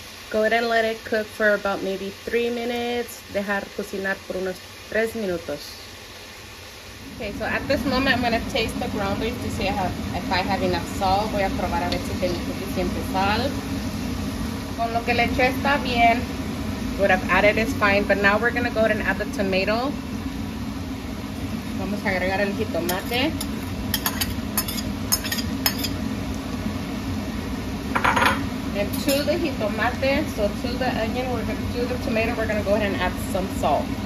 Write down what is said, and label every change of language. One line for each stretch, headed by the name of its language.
English: Go ahead and let it cook for about maybe 3 minutes. Dejar cocinar por unos 3 minutos. Okay, so at this moment, I'm gonna taste the ground beef to see if I have enough salt.
Spanish: Voy a probar a ver si tengo suficiente sal. Con lo que le eché está bien.
English: What I've added is fine, but now we're gonna go ahead and add the tomato. Vamos a
Spanish: vamos a agregar el jitomate.
English: And to the jitomate, so to the onion, we're gonna, to the tomato, we're gonna go ahead and add some salt.